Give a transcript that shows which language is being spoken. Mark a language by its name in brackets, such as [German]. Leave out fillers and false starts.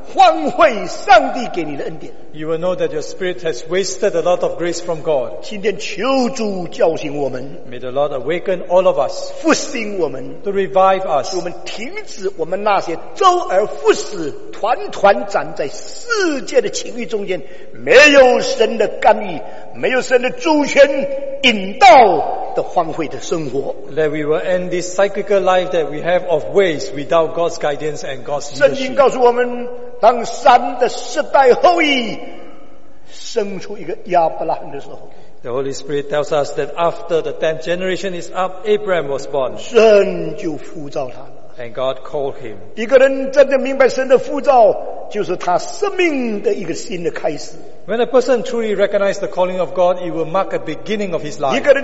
[Chinese] 你知道你的灵性常常荒废上帝给你的恩典。 [English] You will know that your spirit has wasted a lot of grace from God. [Chinese] 今天求主叫醒我们, [English] may the Lord awaken all of us, [Chinese] 复兴我们, [English] to revive us. [Chinese] 使我们停止我们那些周而复始、团团斩在世界的情欲中间、没有神的干预。没有神的主权引导的荒废的生活。 [English] That we will end this cyclical life that we have of ways without God's guidance and God's leadership. [Chinese] 圣经告诉我们，当三的世代后裔生出一个亚伯拉罕的时候。 [English] The Holy Spirit tells us that after the 10th generation is up, Abraham was born. [Chinese] 神就呼召他了。 [English] And God called him. [Chinese] 一个人真的明白神的呼召，就是他生命的一个新的开始。 [English] When a person truly recognizes the calling of God, it will mark a beginning of his life.